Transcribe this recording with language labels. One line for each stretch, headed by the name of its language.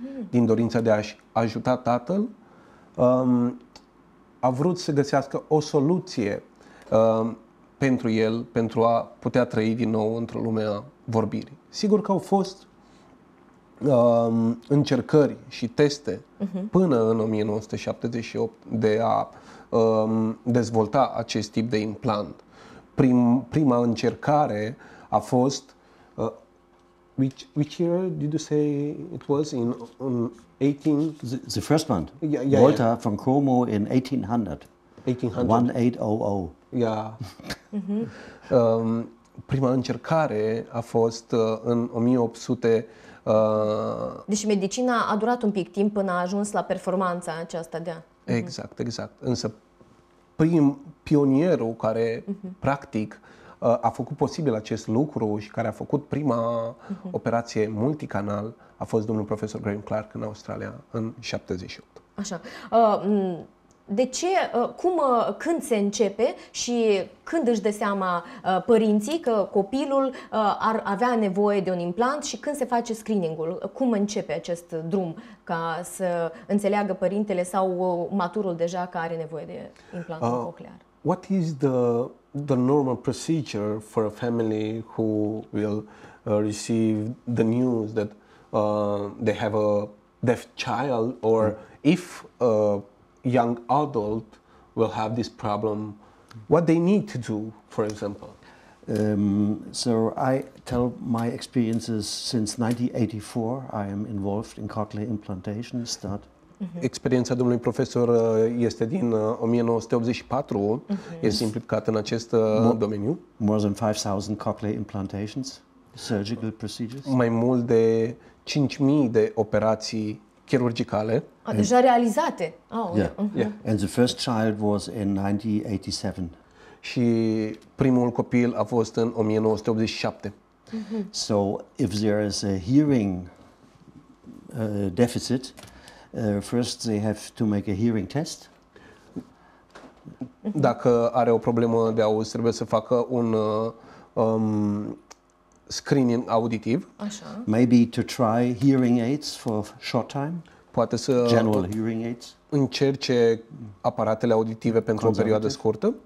Romanian: Din dorința de a-și ajuta tatăl, a vrut să găsească o soluție pentru el, pentru a putea trăi din nou într-o lume a vorbirii. Sigur că au fost încercări și teste până în 1978 de a dezvolta acest tip de implant. Prima încercare a fost...
English: Which year did you say it was in 18? The first one. Yeah. Volta from Como in 1800. 1800. 1800. Yeah. Mm-hmm.
Romanian: Prima încercare a fost în 1800. Deci medicina a durat un pic timp până a ajuns la performanța aceasta de a. Exact, exact. Însă prim pionierul care practic a făcut posibil acest lucru și care a făcut prima operație multicanal a fost domnul profesor Graham Clark în Australia în 78. Așa. De ce, cum, când se începe și când își dă seama părinții că copilul ar avea nevoie de un implant și când se face screeningul? Cum începe acest drum ca să înțeleagă părintele sau maturul deja că are nevoie de implantul cochlear?
English: What is the normal procedure for a family who will receive the news that they have a deaf child or if a young adult will have this problem, what they need to do, for example? So I tell my experiences since 1984. I am involved in cochlear implantation stud.
Romanian: Experiența domnului profesor este din 1984, este implicat în acest domeniu.
English: More than 5,000 cochlear implantations, surgical procedures.
Romanian: Mai mult de 5,000 de operații chirurgicale. And deja realizate. Oh,
English: yeah. Yeah. And the first child was in 1987.
Romanian: Și primul copil a fost în 1987.
English: So if there is a hearing deficit, first they have to make a hearing test.
Romanian: Dacă are o problemă de auz, trebuie să facă un screening auditiv. Așa.
English: Maybe to try hearing aids for a short time.
Romanian: poate să
English: general hearing aids.
Romanian: Încerce aparatele auditive pentru o perioadă scurtă.